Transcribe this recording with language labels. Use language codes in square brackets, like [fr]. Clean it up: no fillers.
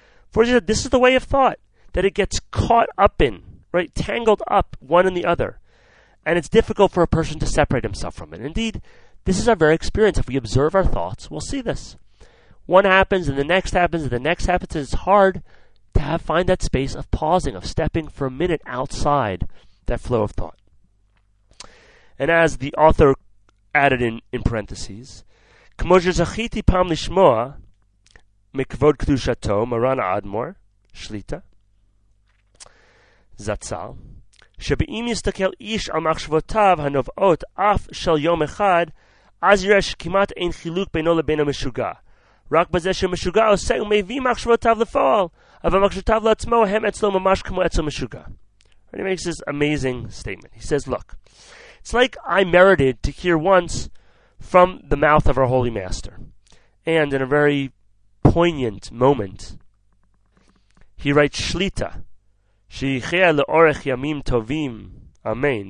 [en] For this is the way of thought, that it gets caught up in, right, tangled up one in the other, and it's difficult for a person to separate himself from it. Indeed, this is our very experience. If we observe our thoughts, we'll see this. One happens, and the next happens, and the next happens, and it's hard to find that space of pausing, of stepping for a minute outside that flow of thought. And as the author added in parentheses, [he] כמו שזכיתי פעם לשמוע מכבוד קדושתו, מרן האדמו"ר, שליט"א, זצ"ל, שבאם יסתכל איש על מחשבותיו הנובעות אף של יום אחד, אז יראה שכמעט אין חילוק בינו לבין המשוגע. רק בזה שהמשוגע עושה ומביא מחשבותיו לפועל, אבל מחשבותיו לעצמו הם אצלו ממש כמו אצל משוגע. [en] And he makes this amazing statement. He says, look, it's like I merited to hear once from the mouth of our holy master. And in a very poignant moment, he writes, Shlita, [he] שיחיה לאורך ימים טובים, אמן.